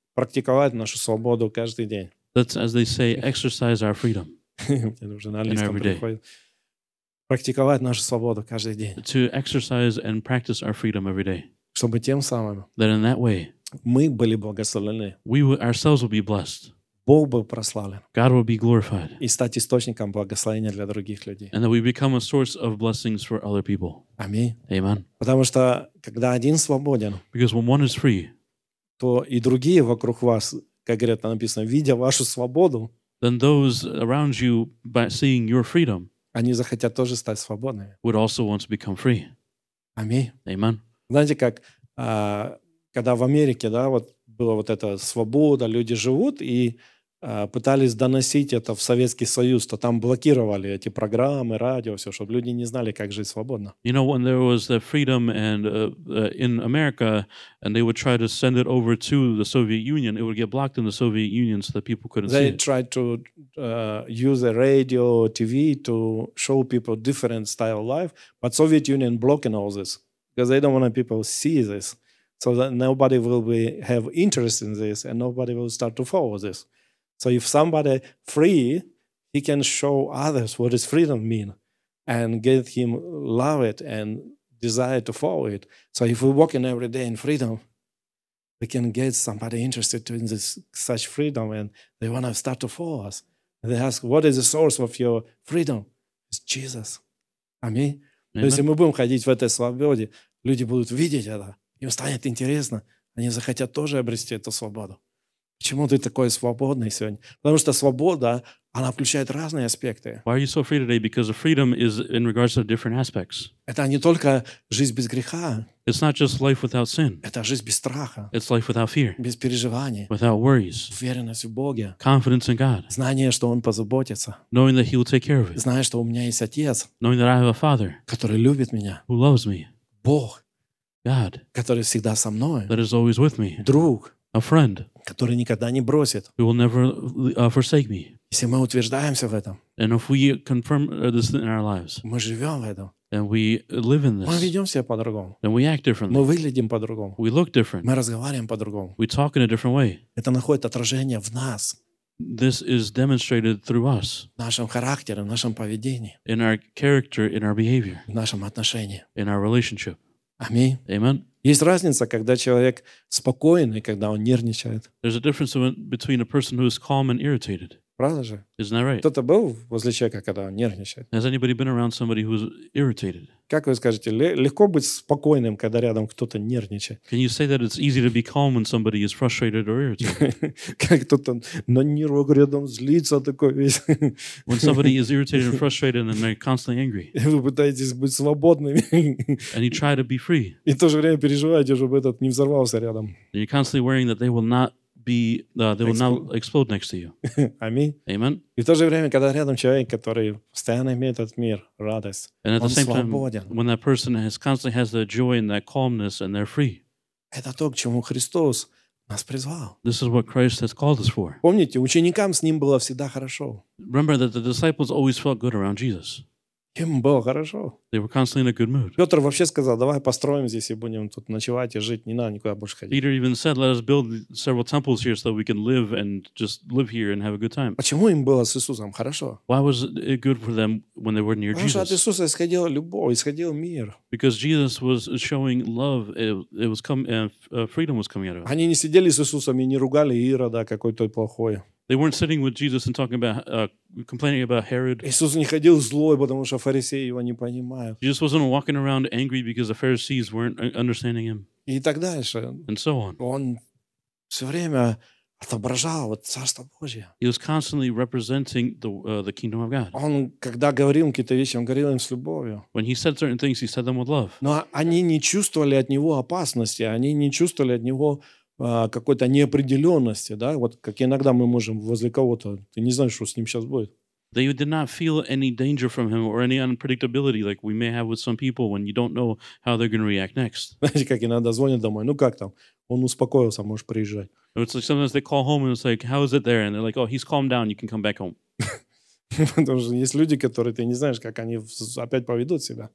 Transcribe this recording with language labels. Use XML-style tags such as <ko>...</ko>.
<ru>Практиковать нашу свободу каждый день.</ru> <en>That's as they say, exercise our freedom.</en> <ru>Мне нужно на листом приходит. Практиковать нашу свободу каждый день.</ru> <en>To exercise and practice our freedom every day.</en> <ru>Чтобы тем самым.</ru> <en>That in that way.</en> <ru>Мы были благословлены.</ru> <en>We ourselves will be blessed.</en> <ru>Бог был прославлен.</ru> <en>God will be glorified.</en> <ru>И стать источником благословения для других людей.</ru> <en>And that we become a source of blessings for other people.</en> <ru>Аминь.</ru> <en>Amen.</en> <ru>Потому что когда один свободен,</ru> <en>because when one is free,</en> <ru>то и другие вокруг вас, как говорят, там написано, видя вашу свободу,</ru> <en>then those around you, by seeing your freedom,</en> <ru>они захотят тоже стать свободными.</ru> <en>Would also want to become free.</en> <ru>Аминь.</ru> <en>Amen.</en> <ru>Знаете, как когда в Америке, да, вот была вот эта свобода, люди живут, и пытались доносить это в Советский Союз, то там блокировали эти программы, радио, все, чтобы люди не знали, как жить свободно.</ru> <en>You know, when there was the freedom and in America, and they would try to send it over to the Soviet Union, it would get blocked in the Soviet Union, so that people couldn't they see it. They tried to use the radio, TV to show people different style of life, but Soviet Union blocking all this, because they don't want people to see this. So that nobody will be have interest in this and nobody will start to follow this. So if somebody free, he can show others what does freedom mean and get him love it and desire to follow it. So if we walk in every day in freedom, we can get somebody interested in this such freedom and they want to start to follow us. And they ask, what is the source of your freedom? It's Jesus. Аминь.</en> <ru>То есть мы будем ходить в этой свободе, люди будут видеть это. Им станет интересно, они захотят тоже обрести эту свободу. Почему ты такой свободный сегодня? Потому что свобода, она включает разные аспекты.</ru> <en>Why are you so free today? Because the freedom is in regards to different aspects.</en> <ru>Это не только жизнь без греха.</ru> <en>It's not just life without sin.</en> <ru>Это жизнь без страха.</ru> <en>It's life without fear.</en> <ru>Без переживаний.</ru> <en>Without worries.</en> <ru>Уверенность в Боге.</ru> <en>Confidence in God.</en> <ru>Знание, что Он позаботится.</ru> <en>Knowing that He will take care of it.</en> <ru>Знание, что у меня есть Отец.</ru> <en>Knowing that I have a Father.</en> <ru>Который любит меня.</ru> <en>Who loves me.</en> <ru>Бог.</ru> <en>God,</en> <ru>который всегда со мной,</ru> <en>that is always with me,</en> <ru>друг,</ru> <en>a friend,</en> <ru>который никогда не бросит,</ru> <en>who will never forsake me.</en> <ru>Если мы утверждаемся в этом,</ru> <en>and if we confirm this in our lives,</en> <ru>мы живем в этом,</ru> <en>and we live in this,</en> <ru>мы ведем себя по-другому,</ru> <en>and we act differently,</en> <ru>мы выглядим по-другому,</ru> <en>we look different,</en> <ru>мы разговариваем по-другому,</ru> <en>we talk in a different way.</en> <ru>Это находит отражение в нас.</ru> <en>This is demonstrated through us.</en> <ru>В нашем характере, в нашем поведении.</ru> <en>In our character, in our behavior.</en> <ru>В нашем отношении.</ru> <en>In our relationship.</en> <ru>Аминь.</ru> <en>Amen.</en> <ru>Есть разница, когда человек спокоен и когда он нервничает.</ru> <en>There's a difference between a person who is calm and irritated.</en> <ru>Правда же?</ru> <en>Isn't that right?</en> <ru>Кто-то был возле человека, когда он нервничает?</ru> <en>Has anybody been around somebody who's irritated?</en> <ru>Как вы скажете, легко быть спокойным, когда рядом кто-то нервничает?</ru> <en>Can you say that it's easy to be calm when somebody is frustrated or irritated?</en> <ru>Как кто-то на нервах рядом злится такой весь.</ru> <en>When somebody is irritated and frustrated and they're constantly angry.</en> <ru>Вы пытаетесь быть свободными.</ru> <en>And you try to be free.</en> <ru>И в то же время переживаете, чтобы этот не взорвался рядом.</ru> <en>And you're constantly worrying that they will not be they will not explode next to you.</en> <ru>Аминь.</ru> <en>Amen.</en> <ru>И в то же время, когда рядом человек, который постоянно имеет этот мир, радость,</ru> <en>and at</en> <ru>он</ru> <en>the same</en> <ru>свободен.</ru> <en>Time, when that person has constantly has the joy and that calmness and they're free.</en> <ru>Это то, к чему Христос нас призвал.</ru> <en>This is what Christ has called us for.</en> <ru>Помните, ученикам с ним было всегда хорошо.</ru> <en>Remember that the disciples always felt good around Jesus.</en> <ru>Им было хорошо.</ru> <en>They were constantly in a good mood.</en> <ru>Петр вообще сказал, давай построим здесь и будем тут ночевать и жить, не надо никуда больше ходить.</ru> <en>Peter even said, let us build several temples here so that we can live and just live here and have a good time.</en> <ru>Почему им было с Иисусом хорошо?</ru> <en>Why was it good for them when they were near</en> <ru>Потому что от Иисуса исходила любовь, исходил мир.</ru> <en>Because Jesus was showing love, it was freedom was coming out of it.</en> <ru>Они не сидели с Иисусом и не ругали Ирода, какой той плохой.</ru> <en>They weren't sitting with Jesus and talking about complaining about Herod.</en> <ru>Иисус не ходил злой, потому что фарисеи его не понимают.</ru> <en>Jesus wasn't walking around angry because the Pharisees weren't understanding him.</en> <ru>И так дальше.</ru> <en>And so on.</en> <ru>Он все время отображал вот Царство Божие.</ru> <en>He was constantly representing the kingdom of God.</en> <ru>Он когда говорил какие-то вещи, он говорил им с любовью.</ru> <en>When he said certain things, he said them with love.</en> <ru>Но они не чувствовали от него опасности, они не чувствовали от него какой-то неопределенности, да? Вот как иногда мы можем возле кого-то, ты не знаешь, что с ним сейчас будет.</ru> <en>They did not feel any danger from him or any unpredictability like we may have with some people when you don't know how they're going to react next.</en> <ru>Знаете, как иногда звонят домой, ну как там? Он успокоился, можешь приезжать.</ru> <en>It's like sometimes they call home and it's like, how is it there? And they're like, oh, he's calmed down, you can come back home.</en> <ru>Потому что есть люди, которые ты не знаешь, как они опять поведут себя.</ru>